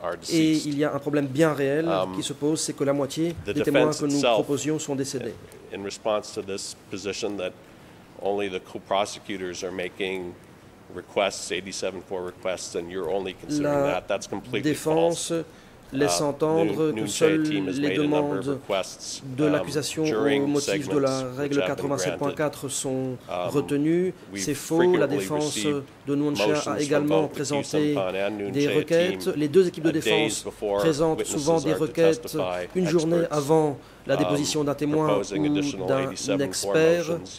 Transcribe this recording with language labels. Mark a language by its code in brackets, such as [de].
[fr] Et il y a un problème bien réel qui se pose, c'est que la moitié des témoins que nous proposions sont décédés. [en] In response to this position that only the co-prosecutors are making requests, 87-4 requests, and you're only considering [fr] la [en] that, that's completely [fr] défense [en] false. [fr] Laisse entendre que seules les demandes de l'accusation au motif de la règle 87.4 sont retenues. C'est faux, la défense de Nuancha a également présenté des requêtes. Les deux équipes de défense présentent souvent des requêtes une journée avant la déposition d'un témoin ou d'un expert.